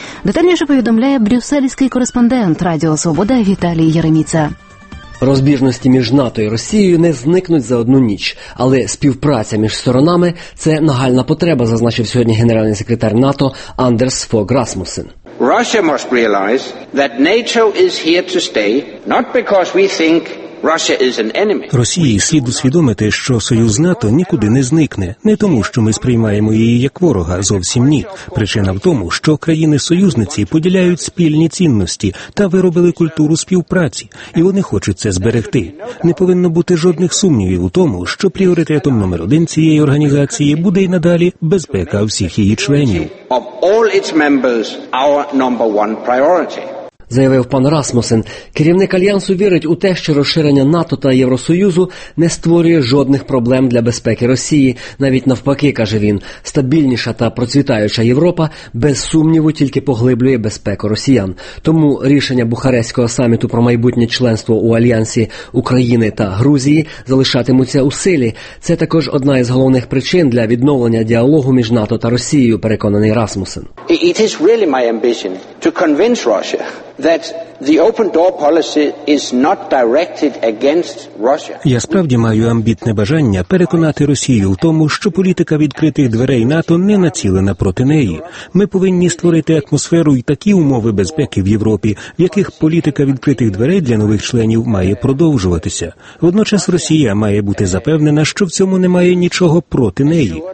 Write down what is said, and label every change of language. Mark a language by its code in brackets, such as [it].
[uk] Детальніше повідомляє брюссельський кореспондент Радіо Свобода Віталій Єреміця. Розбіжності між НАТО і Росією не зникнуть за одну ніч, але співпраця між сторонами – це нагальна потреба, зазначив сьогодні генеральний секретар НАТО Андерс Фог Расмусен. [en] Russia must realize that NATO is here to stay, not because we think Russia is an enemy. [uk] Росії слід усвідомити, що Союз НАТО нікуди не зникне. Не тому, що ми сприймаємо її як ворога, зовсім ні. Причина в тому, що країни-союзниці поділяють спільні цінності та виробили культуру співпраці, і вони хочуть це зберегти. Не повинно бути жодних сумнівів у тому, що пріоритетом номер один цієї організації буде й надалі безпека всіх її членів. [en] Of all its members, our number one priority. [uk] Заявив пан Расмусен, керівник Альянсу вірить у те, що розширення НАТО та Євросоюзу не створює жодних проблем для безпеки Росії. Навіть навпаки, каже він, стабільніша та процвітаюча Європа без сумніву тільки поглиблює безпеку росіян. Тому рішення Бухарестського саміту про майбутнє членство у Альянсі України та Грузії залишатимуться у силі. Це також одна із головних причин для відновлення діалогу між НАТО та Росією, переконаний Расмусен. [en] It is really my ambition to convince Russia that The open door policy is not directed against Russia. [uk] Я справді маю амбітне бажання переконати Росію в тому, що політика відкритих дверей НАТО не націлена проти неї. Ми повинні створити атмосферу і такі умови безпеки в Європі, в яких політика відкритих дверей для нових членів має продовжуватися. Водночас Росія має бути запевнена, що в цьому немає нічого проти неї.